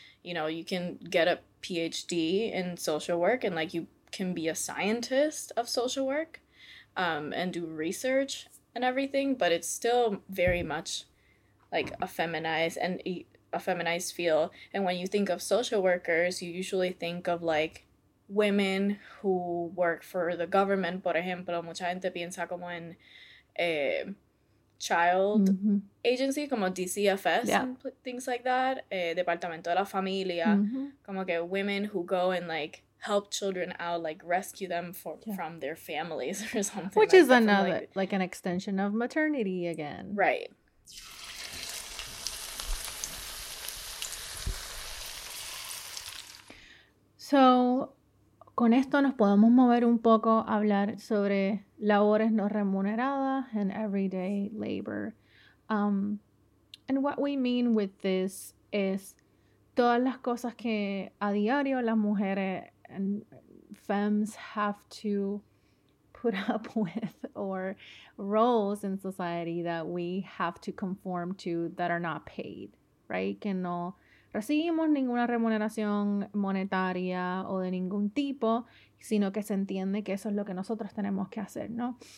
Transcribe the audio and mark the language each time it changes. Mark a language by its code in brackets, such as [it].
[en] You know, you can get a PhD in social work and like you can be a scientist of social work and do research and everything, but it's still very much like a feminized feel. And when you think of social workers, you usually think of like women who work for the government, [es] por ejemplo. Mucha gente piensa como en child mm-hmm. [en] agency, como DCFS, yeah. And things like that, Departamento de la Familia, mm-hmm. [es] como que [en] women who go and like help children out, like rescue them from their families or something, which like is another like an extension of maternity again, right? [es] So, con esto nos podemos mover un poco a hablar sobre labores no remuneradas [en] and everyday labor. And what we mean with this is [es] todas las cosas que a diario las mujeres [en] and femmes have to put up with, or roles in society that we have to conform to that are not paid, right? [es] Que no recibimos ninguna remuneración monetaria o de ningún tipo, sino que se entiende que eso es lo que nosotros tenemos que hacer, ¿no?